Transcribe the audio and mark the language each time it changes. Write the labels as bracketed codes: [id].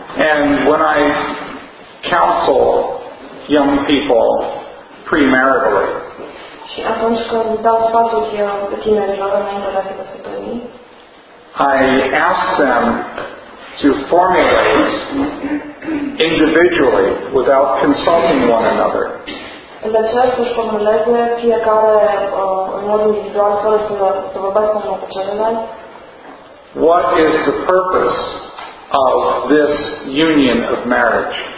[en] And when I counsel young people premaritally, [ro] și atunci când dau sfaturi tinerilor înainte de a se căsători, [en] I ask them to formulate individually without consulting one another. [ro] De aceea să-și formuleze fiecare în mod individual fără să vorbească unul cu celălalt. [en] What is the purpose of this union of marriage?